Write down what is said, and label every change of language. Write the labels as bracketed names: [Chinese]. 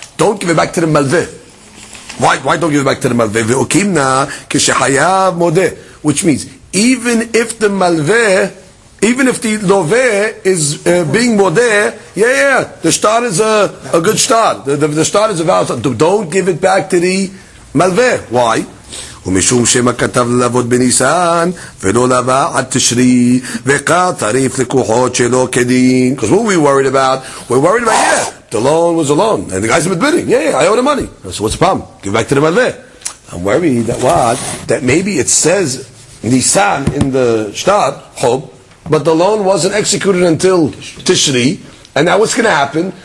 [English] Don't give it back to the malveh. Why don't give it back to the malveh? [Hebrew] Ve'okimna kishehayav modeh, [English] which means even if the malveh, even if the loveh is being modeh, yeah, the shtar is a good shtar. The shtar is a valid shtar. Don't give it back to the malveh. Why? [Hebrew] ומשום שמכתב לעבוד בניסן ולא לבא עד תשרי וכה תריף לקוחות שלא כדין. [English] Because what were we worried about? We're worried about, yeah, the loan was a loan. And the guy's admitting, yeah, I owe the money. So what's the problem? Give back to the malveh. I'm worried that what? That maybe it says Nisan in the shtar, chob, but the loan wasn't executed until Tishri. And now what's going to happen?